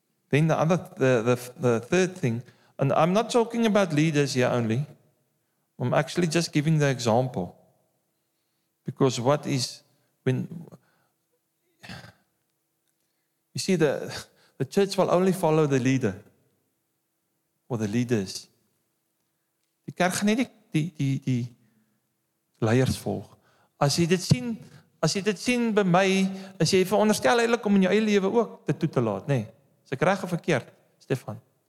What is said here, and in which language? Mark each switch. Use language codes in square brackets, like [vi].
[en] Then the third thing, and I'm not talking about leaders here only. I'm actually just giving the example. Because what is, when, you see, the church will only follow the leader or the leaders. [af] Die kerk gaan nie die leiers volg. As jy dit sien by my, as jy veronderstel eintlik om in jou eie lewe ook dit toe te laat, nee. Is ek reg of verkeerd, Stefan?